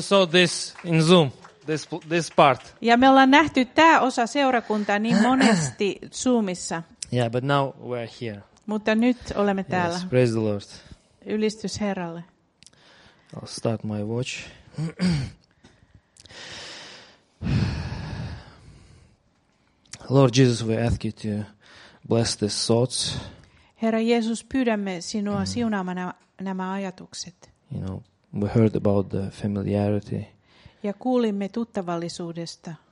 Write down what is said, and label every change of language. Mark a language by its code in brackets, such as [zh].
[en] saw this in Zoom, this part. [fi] Ja me ollaan nähty tämä osa seurakuntaa niin monesti Zoomissa. [en] Yeah, but now we're here. [fi] Mutta nyt olemme täällä. [en] Yes, praise the Lord. [fi] Ylistys Herralle. [en] I'll start my watch. Lord Jesus, we ask you to bless these thoughts. [fi] Herra Jeesus, pyydämme sinua siunaamaan nämä ajatukset. [en] You know, we heard about the familiarity. [fi] Ja kuulimme tuttavallisuudesta.